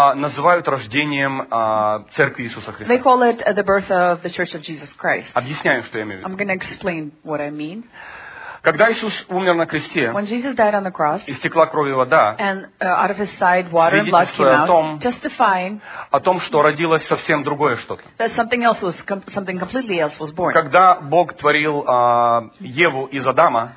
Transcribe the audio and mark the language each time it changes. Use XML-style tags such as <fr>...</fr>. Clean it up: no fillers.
<ru>называют рождением Церкви Иисуса Христа.</ru> <en>They call it the birth of the Church of Jesus Christ.</en> <ru>Объясняю, что я имею в виду.</ru> <en>I'm going to explain what I mean.</en> <ru>Когда Иисус умер на кресте,</ru> <en>when Jesus died on the cross,</en> <ru>истекла кровь и вода,</ru> <en>and out of his side water and blood came out, testifying,</en> <ru>о том, что родилось совсем другое что-то.</ru> <en>That something else was, something completely else was born.</en> <ru>Когда Бог творил Еву из Адама,</ru>